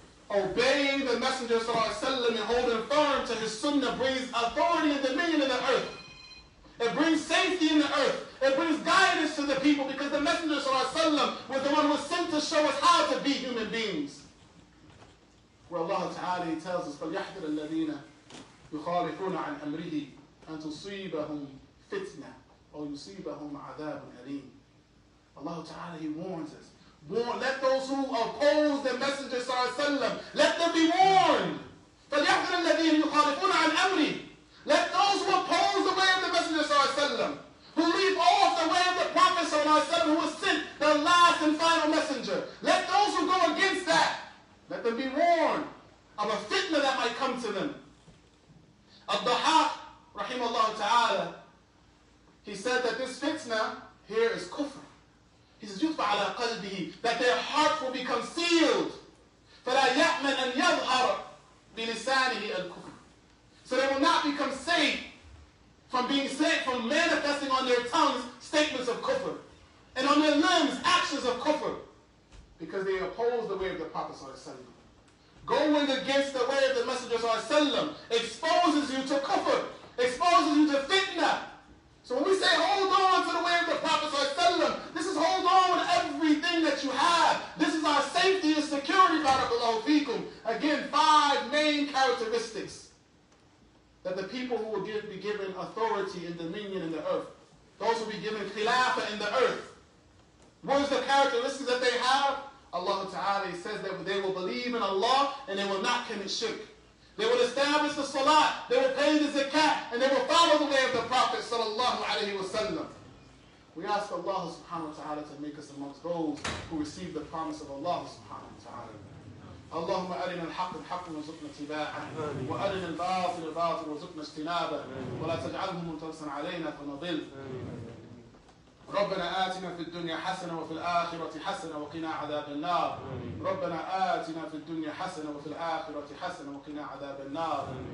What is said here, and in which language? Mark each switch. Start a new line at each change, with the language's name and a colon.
English: Obeying the Messenger sallallahu alayhi wa sallam and holding firm to his sunnah brings authority and dominion in the earth. It brings safety in the earth. It brings guidance to the people because the Messenger sallallahu alayhi wa sallam was the one who was sent to show us how to be human beings. Where Allah Ta'ala, he tells us,
Arabic: فَلْيَحْذِرَ الَّذِينَ يُخَالِفُونَ عَنْ أَمْرِهِ أَنْ تُصِيبَهُمْ فِتْنَةً أَوْ يُصِيبَهُمْ عَذَابٌ أَلِيمٌ.
English: Allah Ta'ala, he warns us. Let those who oppose the Messenger sallallahu alayhi wa sallam, let them be warned.
Arabic: فَلْيَحْذِرَ الَّذِينَ يُخَالِفُونَ عَنْ أَمْرِهِ.
English: Let those who oppose the way of the Messenger sallallahu alayhi wa sallam, who leave off the way of the Prophet sallallahu alayhi wa sallam, who was sent the last and final messenger, let those who go against that, let them be warned of a fitna that might come to them. Al-Dahaq, rahimahullah ta'ala, he said that this fitna here is kufr.
Arabic: يطبع على قلبه,
English: that their heart will be concealed.
Arabic: فلا يأمن أن يظهر بلسانه الكفر.
English: So they will not become safe from being safe from manifesting on their tongues statements of kufr, and on their limbs actions of kufr, because they oppose the way of the Prophet Sallallahu Alaihi Wasallam. Going against the way of the Messenger Sallallahu Alaihi Wasallam exposes you to kufr, exposes you to fitna. So when we say hold on to the way of the Prophet Sallallahu Alaihi Wasallam, this is hold on with everything that you have. This is our safety and security, barakallahu feekum. Again, five main characteristics that the people who will be given authority and dominion in the earth, those will be given khilafah in the earth. What is the characteristics that they have? Allah Ta'ala says that they will believe in Allah and they will not commit shirk. They will establish the salat, they will pay the zakat, and they will follow the way of the Prophet Sallallahu Alaihi Wasallam. We ask Allah Subhanahu Wa Ta'ala to make us amongst those who receive the promise of Allah Subhanahu Wa Ta'ala.
Arabic: اللهم أرنا الحق الحق وارزقنا اتباعه وأرنا الباطل الباطل وارزقنا اجتنابه ولا تجعله ملتبسا علينا فنضل ربنا آتنا في الدنيا حسنة وفي الآخرة حسنة وقنا عذاب النار ربنا آتنا في الدنيا حسنة وفي الآخرة حسنة وقنا عذاب النار